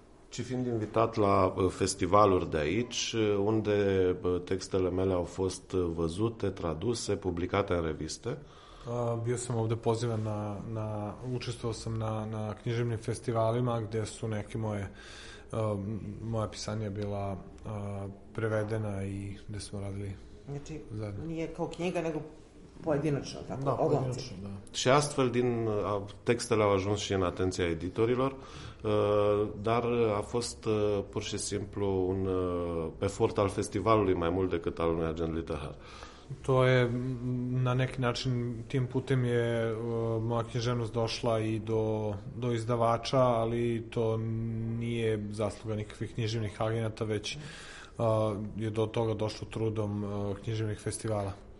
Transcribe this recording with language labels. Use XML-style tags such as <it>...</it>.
<ro>ci fiind invitat la festivaluri de aici, unde textele mele au fost văzute, traduse, publicate în reviste.</ro> <sr>Bio sam ovde pozivan na učestvovao sam na književnim festivalima gde su neke moja pisanja bila prevedena i gde smo radili. Znači, zajedno. Nije kao knjiga, nego pojedinačno, tako, oglasi.</sr> <ro>Și astfel din textele au ajuns și în atenția editorilor. Dar a fost pur și simplu un efort al festivalului mai mult decât al unui agent literar.</ro> <sr>To je na neki način tim putem je moja književnost došla i do izdavača, ali to nije zasluga nikakvih književnih agenata, već je do toga došlo trudom književnih festivala.</sr>